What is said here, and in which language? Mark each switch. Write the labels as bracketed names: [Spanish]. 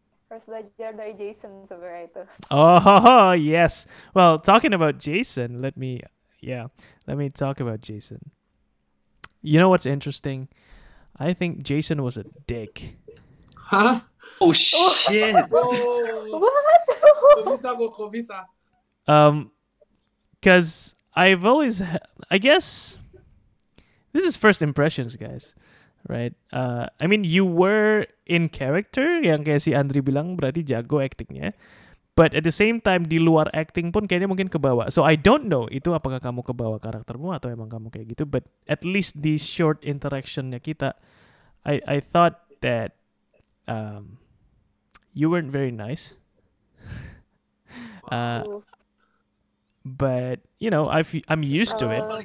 [Indonesian] Harus belajar dari Jason sebenarnya itu. [English] Oh, yes. Well, talking about Jason, let me talk about Jason. You know what's interesting? I think Jason was a dick. Huh? Oh, shit. What? [Indonesian] Kok bisa? [English] Because I've always, I guess, this is first impressions, guys, right? I mean, you were in character, [Indonesian] yang kayak si Andri bilang, berarti jago acting-nya. [English] But at the same time, [Indonesian] di luar acting pun kayaknya mungkin kebawa. [English] So I don't know, [Indonesian] itu apakah kamu kebawa karaktermu atau emang kamu kayak gitu. [English] But at least [Indonesian] di short interaction-nya kita, [English] I thought that you weren't very nice. But you know, I'm used to it.